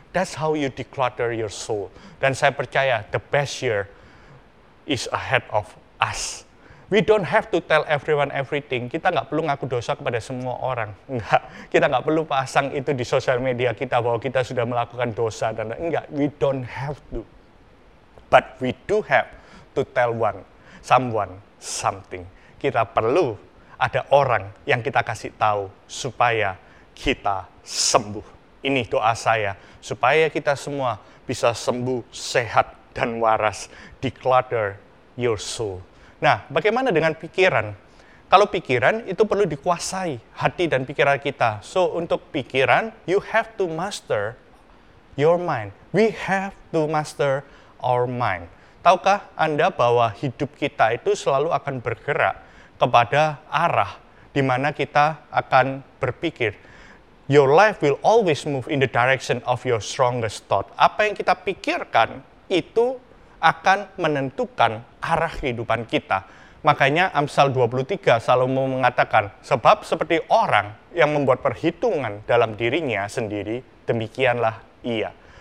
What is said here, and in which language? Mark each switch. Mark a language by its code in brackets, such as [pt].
[en] That's how you declutter your soul. [id] Dan saya percaya, [en] the best year is ahead of us. We don't have to tell everyone everything. [id] Kita nggak perlu ngaku dosa kepada semua orang. Enggak. Kita nggak perlu pasang itu di sosial media kita bahwa kita sudah melakukan dosa. Dan enggak. [en] We don't have to. But we do have to tell someone something. [id] Kita perlu ada orang yang kita kasih tahu supaya kita sembuh. Ini doa saya. Supaya kita semua bisa sembuh, sehat, dan waras. [en] Declutter your soul. [id] Nah, bagaimana dengan pikiran? Kalau pikiran itu perlu dikuasai hati dan pikiran kita. [en] So, [id] untuk pikiran, [en] you have to master your mind. We have to master our mind. [id] Tahukah Anda bahwa hidup kita itu selalu akan bergerak kepada arah di mana kita akan berpikir? [en] Your life will always move in the direction of your strongest thought. [id] Apa yang kita pikirkan itu akan menentukan arah kehidupan kita. Makanya Amsal 23 Salomo mengatakan, sebab seperti orang yang membuat perhitungan dalam dirinya sendiri, demikianlah ia.